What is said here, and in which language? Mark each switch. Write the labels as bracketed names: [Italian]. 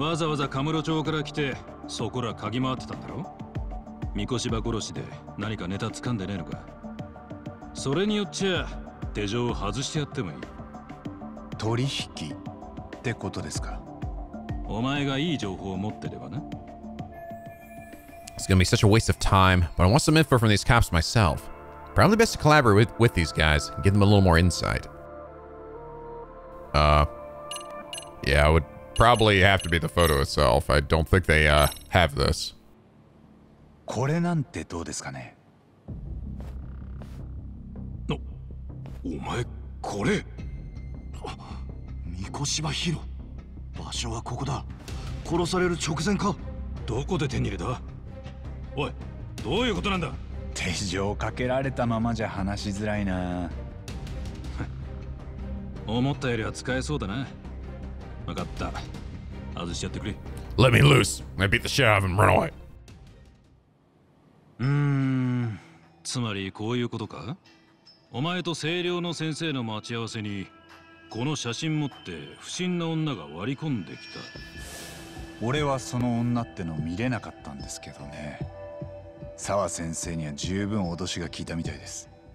[Japanese] わざわざカムロ町から来てそこら嗅ぎ回ってたんだろ。三越馬殺しで何かネタ掴んでねえのか。それによっちゃ手錠を外してやってもいい。取引ってことですか。お前がいい情報を持ってればな。 [English] It's gonna be such a waste of time, but I want some info from these cops myself. Probably best to collaborate with these guys and give them a little more insight. Yeah, it would probably have to be the photo itself. I don't think they, have this. [Japanese] これなんてどうですかね？お、お前、これ？三越馬ヒロ。場所はここだ。殺される直前か？どこで手に入れた？おい、どういうことなんだ。手錠かけられたままじゃ話しづらいな。思ったよりは使えそうだな。分かった、外しちゃってくれ。 [English] Let me loose. I beat the shit out of him. Run away. [Japanese] つまりこういうことか。お前と清涼の先生の待ち合わせにこの写真持って不審な女が割り込んできた。俺はその女ってのを見れなかったんですけどね。沢先生には十分脅しが効いたみたいです。